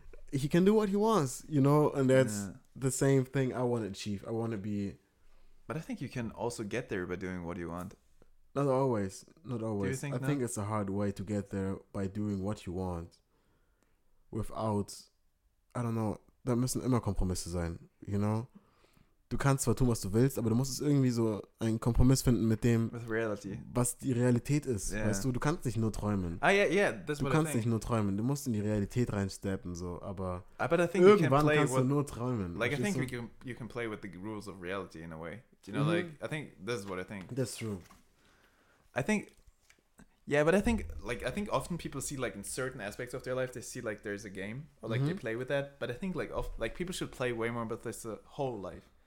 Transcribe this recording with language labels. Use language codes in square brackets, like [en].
[en] He can do what he wants, you know? And that's the same thing I want to achieve. I want to be... But I think you can also get there by doing what you want. Not always. Not always. Do you think I think it's a hard way to get there by doing what you want without, I don't know, [de] da müssen immer Kompromisse sein, [en] you know? [de] Du kannst zwar tun, was du willst, aber du musst es irgendwie so einen Kompromiss finden mit dem, [en] with reality, [de] was die Realität ist. Yeah. Weißt du, du kannst nicht nur träumen. [en] Ah, yeah, yeah, that's [de] du kannst nicht nur träumen. Du musst in die Realität reinsteppen, so. Aber [en] I think [de] irgendwann [en] you can play [de] kannst [en] with, [de] du nur träumen. [en] Like, I think you can play with the rules of reality in a way. You know, mm-hmm. Like, I think this is what I think. That's true. I think, yeah, but I think, like, I think often people see, like, in certain aspects of their life, they see, like, there's a game, or, like, mm-hmm. they play with that. But I think, like, people should play way more with this whole life.